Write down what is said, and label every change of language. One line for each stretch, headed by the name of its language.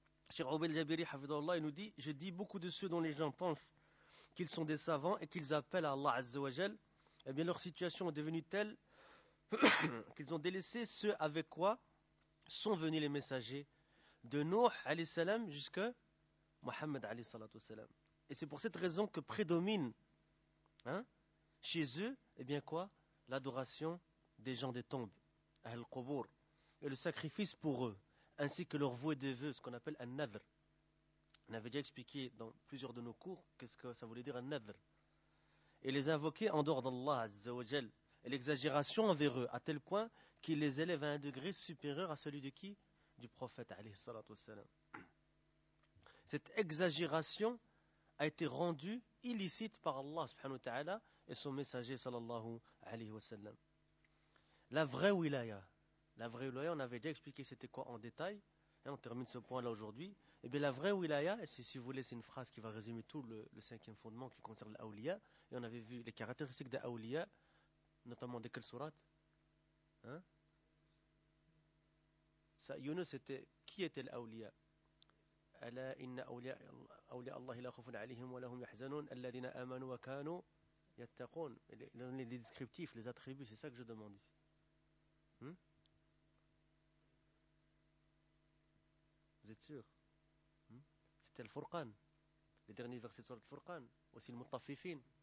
French: Cheikh Oubel Jabiri, Hafidhullah, il nous dit, je dis beaucoup de ceux dont les gens pensent qu'ils sont des savants et qu'ils appellent à Allah Azza wa Jal, eh bien leur situation est devenue telle qu'ils ont délaissé ce avec quoi sont venus les messagers de Nuh alayhi salam jusqu'à Muhammad alayhi salatu salam. Et c'est pour cette raison que prédomine chez eux, eh bien quoi, l'adoration des gens des tombes, al-qubur, et le sacrifice pour eux, ainsi que leur vouée de vœux, ce qu'on appelle un nadr. On avait déjà expliqué dans plusieurs de nos cours qu'est-ce que ça voulait dire un nadr. Et les invoquer en dehors d'Allah azza wa jal, et l'exagération envers eux, à tel point qu'il les élève à un degré supérieur à celui de qui? Du prophète, alayhi salatu wassalam. Cette exagération a été rendue illicite par Allah subhanahu wa ta'ala et son messager sallallahu alayhi wa sallam. La vraie wilaya, on avait déjà expliqué c'était quoi en détail, et on termine ce point là aujourd'hui, et bien la vraie wilaya, et si vous voulez c'est une phrase qui va résumer tout le cinquième fondement qui concerne l'awliya, et on avait vu les caractéristiques de l'awliya, notamment de quelle sourate ça, Younous c'était, qui était l'awliya?
Arabic: ألا إن أولياء الله لا خوف عليهم ولا هم يحزنون الذين آمنوا وكانوا
French: Yattaqun, les descriptifs, les attributs, c'est ça que je demande ici. Vous êtes sûr? C'était le Furqan. Les derniers versets de Sourate Furqan. Aussi le Mutaffifin.